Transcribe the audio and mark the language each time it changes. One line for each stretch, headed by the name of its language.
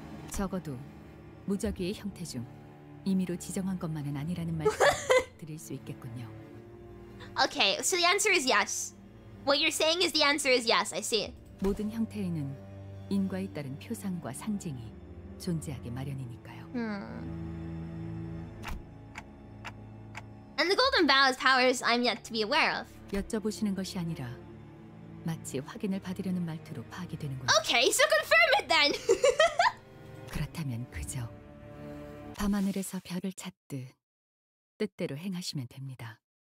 Korean: 적어도 무작위의 형태 중 임의로 지정한 것만은 아니라는 말씀 드릴 수 있겠군요.
English: Okay, so the answer is yes. What you're saying is the answer is yes, I see.
Korean: 모든 형태에는 인과에 따른 표상과 상징이 존재하기 마련이니까요.
English: And the golden bow's powers I'm yet to be aware of.
Korean: 여쭤보시는 것이 아니라 마치 확인을 받으려는 말투로 파악이 되는군요.
English: Okay, so confirm it then.
Korean: 그렇다면 그저 밤하늘에서 별을 찾듯 뜻대로 행하시면 됩니다.